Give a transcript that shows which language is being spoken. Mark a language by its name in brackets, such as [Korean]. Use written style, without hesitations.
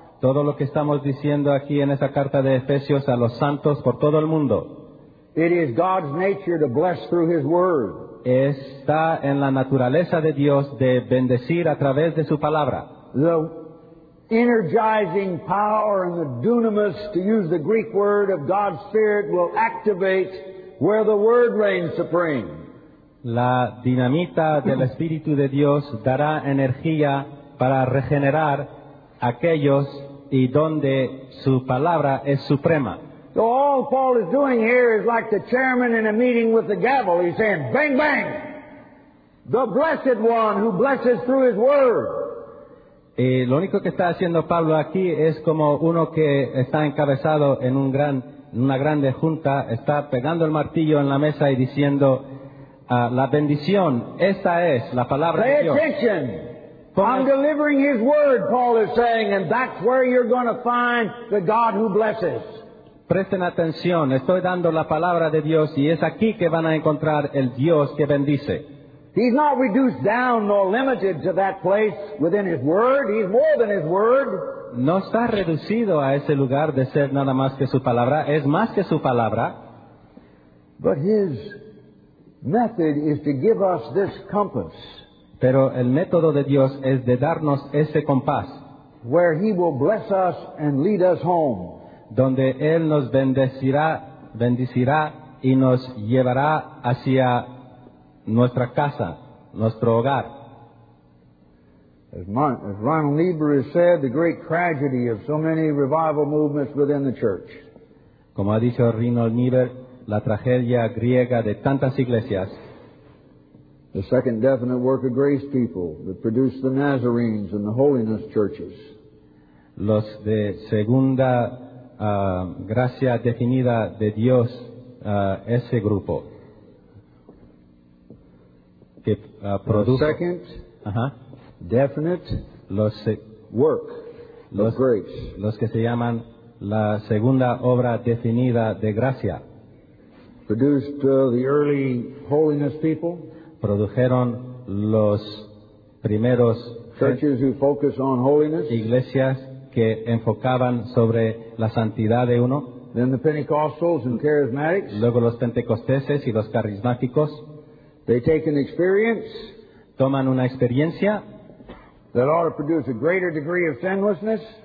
[Spanish] Todo lo que estamos diciendo aquí en esa carta de Efesios a los santos por todo el mundo. [English] It is God's nature to bless through his word. [Spanish] Está en la naturaleza de Dios de bendecir a través de su palabra. [English] The energizing power and the dunamis, to use the Greek word, of God's Spirit will activate where the word reigns supreme. [Spanish] La dinamita del Espíritu de Dios dará energía para regenerar aquellos y donde su palabra es suprema. [English] So all Paul is doing here is like the chairman in a meeting with the gavel. He's saying, bang, bang, the blessed one who blesses through his word. [Spanish] Y lo único que está haciendo Pablo aquí es como uno que está encabezado en un gran, una grande junta, está pegando el martillo en la mesa y diciendo, la bendición, esta es la palabra [English] Pay [Spanish] de Dios. [English] Attention. I'm delivering his word, Paul is saying, and that's where you're going to find the God who blesses. [Spanish] Presten atención, estoy dando la palabra de Dios y es aquí que van a encontrar el Dios que bendice. [English] He's not reduced down nor limited to that place within his word. He's more than his word. [Spanish] No está reducido a ese lugar de ser nada más que su palabra. Es más que su palabra. [English] But his method is to give us this compass. [Spanish] Pero el método de Dios es de darnos ese compás. [English] Where he will bless us and lead us home. [Spanish] Donde él nos bendecirá, bendecirá y nos llevará hacia nuestra casa, nuestro hogar. [English] As Ronald Niebuhr has said, the great tragedy of so many revival movements within the church. [Spanish] Como ha dicho Ronald Niebuhr, la tragedia griega de tantas iglesias. [English] The second definite work of grace people that produced the Nazarenes and the holiness churches. [Spanish] Los de segunda gracia definida de Dios, ese grupo. Que, produjo, [English] the second definite work of grace. [Spanish] Los que se llaman la segunda obra definida de gracia. [English] Produced the early holiness people. [Spanish] Produjeron los primeros [English] churches who focus on holiness. [Spanish] Iglesias que enfocaban sobre la santidad de uno. [English] Then the Pentecostals and charismatics. [Spanish] Luego los pentecosteses y los carismáticos. [English] They take an experience. [Spanish] Toman una experiencia. [English] That ought to produce a greater degree of sinlessness.